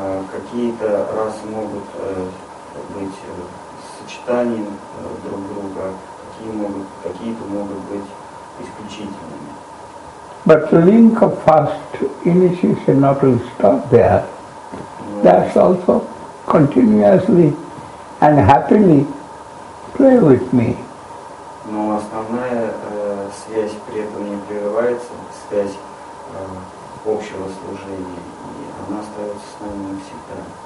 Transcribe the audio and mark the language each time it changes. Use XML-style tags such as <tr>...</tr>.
<ru>Какие-то расы могут быть сочетанием друг друга, какие-то могут быть исключительными.</ru> <en>But the link of first initiation not will stop there. That's also continuously and happily play with me.</en> <ru>Но основная связь при этом не прерывается, связь общего служения, и она остается с нами всегда.</ru>